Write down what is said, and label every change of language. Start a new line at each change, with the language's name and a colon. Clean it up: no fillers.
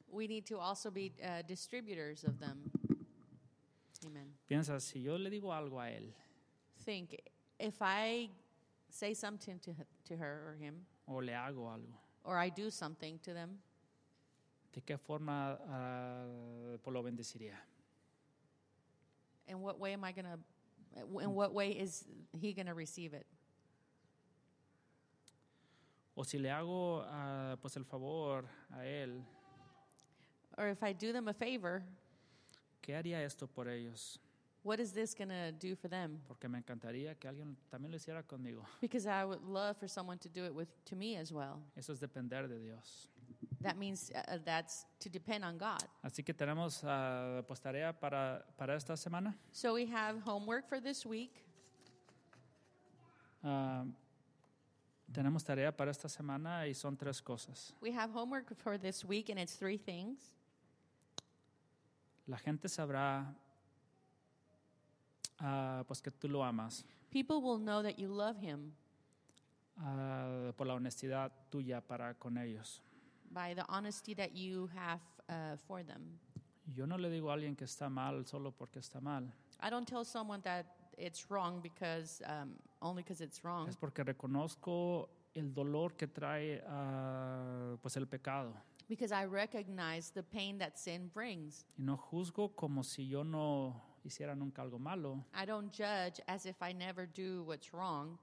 English: We need to also be distributors of them. Amen.
Spanish: Piensa, si yo le digo algo a él.
English: Think, if I say something to her or him.
Spanish: O le hago algo.
English: Or I do something to them.
Spanish: ¿De qué forma lo bendeciría?
English: In what way am I going to in what way is he going to receive it?
Spanish: O si le hago pues el favor a él.
English: Or if I do them a favor.
Spanish: ¿Qué haría esto por ellos?
English: What is this going to do for them?
Spanish: Porque me encantaría que alguien también lo hiciera conmigo.
English: Because I would love for someone to do it with to me as well.
Spanish: Eso es depender de Dios.
English: That means that's to depend on God.
Spanish: Así que tenemos pues tarea para esta semana.
English: So we have homework for this week.
Spanish: Tenemos tarea para esta semana y son tres cosas.
English: We have homework for this week and it's three things.
Spanish: La gente sabrá pues que tú lo amas.
English: People will know that you love him.
Spanish: Por la honestidad tuya para con ellos.
English: By the honesty that you have for them.
Spanish: Yo no le digo a alguien que está mal solo porque está mal.
English: I don't tell someone that it's wrong because only because it's wrong.
Spanish: Es porque reconozco el dolor que trae pues el pecado.
English: Because I recognize the pain that sin brings.
Spanish: Y no juzgo como si yo no hiciera nunca algo malo.
English: I don't judge as if I never do what's wrong.